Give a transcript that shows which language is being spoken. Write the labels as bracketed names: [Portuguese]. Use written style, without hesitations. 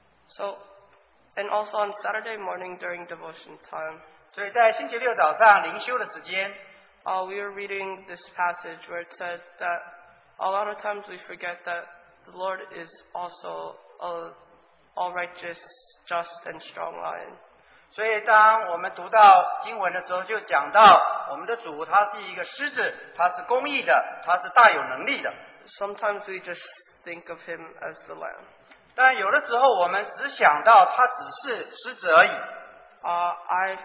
[English] So, and also on Saturday morning during devotion time. [Chinese] 所以在星期六早上灵修的时间, [English] we were reading this passage where it said that a lot of times we forget that the Lord is also an all righteous, just, and strong lion. [Chinese] 所以当我们读到经文的时候，就讲到我们的主他是一个狮子，他是公义的，他是大有能力的。 [English] Sometimes we just think of him as the lamb. [Chinese] 但有的时候我们只想到他只是狮子而已。 [English] I